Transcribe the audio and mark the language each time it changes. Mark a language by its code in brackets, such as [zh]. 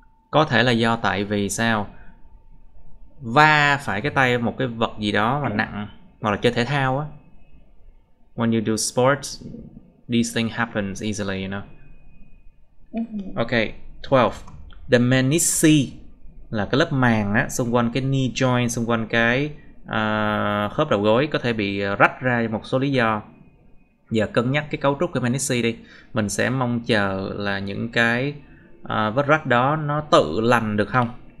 [vi] Có thể là do tại vì sao va phải cái tay một cái vật gì đó mà nặng, hoặc là chơi thể thao á. [en] When you do sports, these things happen easily, you know. Okay, 12. [vi] The menisci là cái lớp màng á, xung quanh cái knee joint, xung quanh cái khớp đầu gối có thể bị rách ra một số lý do. Giờ cân nhắc cái cấu trúc của menisci đi. Mình sẽ mong chờ là những cái vết rách đó nó tự lành được không?